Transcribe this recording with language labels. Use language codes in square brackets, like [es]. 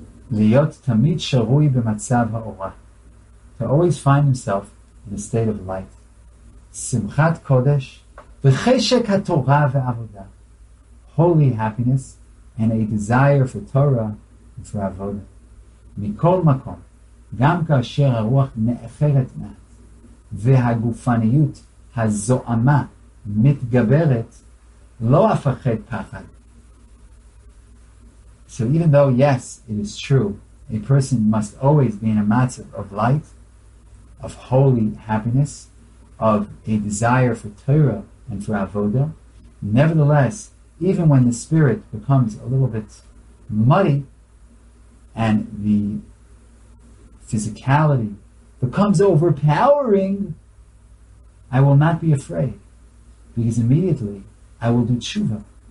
[he] להיות תמיד שרוי במצב האורה, [en] to always find himself in a state of light, [he] שמחת קודש וחשק התורה ועבודה, [en] holy happiness and a desire for Torah and for [he] עבודה, מכל מקום, גם כאשר הרוח נאחרת מעט, והגופניות הזועמה מתגברת, לא אפחד פחד. [en] So even though, yes, it is true, a person must always be in a matzav of light, of holy happiness, of a desire for Torah and for avoda, nevertheless, even when the spirit becomes a little bit muddy and the physicality becomes overpowering, I will not be afraid, because immediately I will do tshuva.